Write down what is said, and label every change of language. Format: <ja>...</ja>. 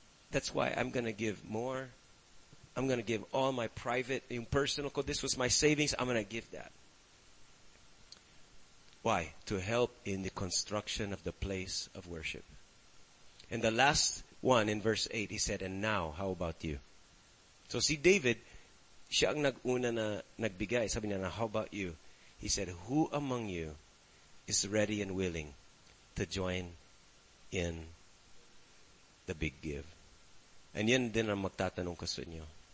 <en>That's why I'm going to give more. I'm going to give all my private and personal. This was my savings. I'm going to give that. Why? To help in the construction of the place of worship. And the last one in verse 8, he said, and now, how about you?</en> <tl>So see, David, siya ang nag-una na nagbigay. Sabi niya, na,</tl> <en>how about you? He said, who among you is ready and willing to join in the big give?</en> <tl>And yan din ang magtatanong ko sa inyo.</tl>